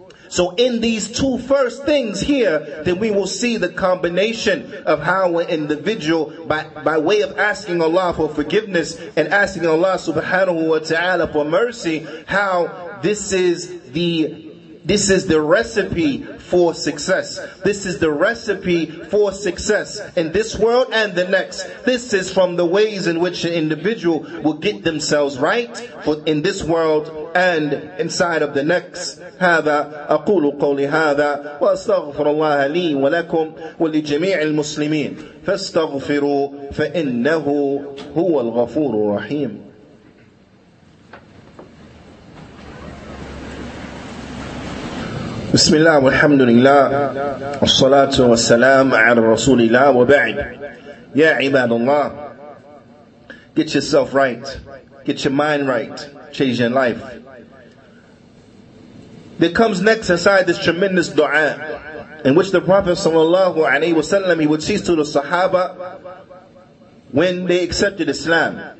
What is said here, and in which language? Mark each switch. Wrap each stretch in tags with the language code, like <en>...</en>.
<en>So in these two first things here, then we will see the combination of how an individual, by way of asking Allah for forgiveness and asking Allah subhanahu wa ta'ala for mercy, how this is the This is the recipe for success. This is the recipe for success in this world and the next. This is from the ways in which an individual will get themselves right for in this world and inside of the next.</en> <ar>هذا أقول قولي هذا وأستغفر الله لي ولكم ولجميع المسلمين فاستغفروا فإنه هو الغفور الرحيم. بسم الله والحمد لله والصلاة والسلام على رسول الله وبعد يا عباد الله.</ar> <en>Get yourself right, get your mind right, change your life. There comes next inside this tremendous dua in which the Prophet sallallahu alaihi wasallam, he would teach to the Sahaba when they accepted Islam.</en>